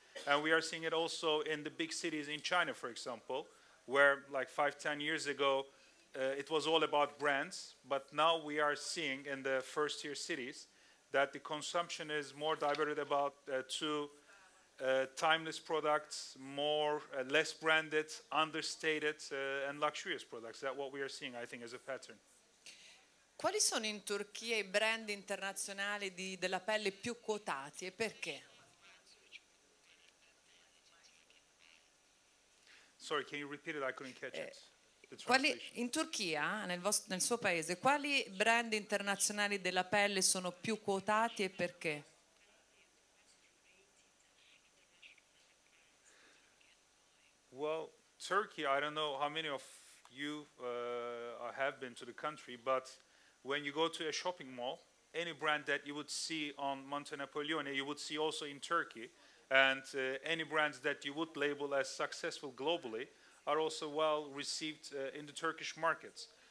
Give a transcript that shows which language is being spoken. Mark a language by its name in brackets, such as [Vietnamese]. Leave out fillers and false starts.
[English] And we are seeing it also in the big cities in China, for example, where like 5-10 years ago, it was all about brands, but now we are seeing in the first tier cities that the consumption is more diverted about to timeless products, more less branded, understated and luxurious products. That's what we are seeing, I think, as a pattern. [Italian] Quali sono in Turchia i brand internazionali della pelle più quotati e perché? [English] Sorry, can you repeat it? I couldn't catch it. [Italian] Quali in Turchia, nel suo paese, quali brand internazionali della pelle sono più quotati e perché? [English] Well, Turkey, I don't know how many of you have been to the country, but when you go to a shopping mall, any brand that you would see on Monte Napoleone, you would see also in Turkey, and any brands that you would label as successful globally are also well received in the Turkish markets.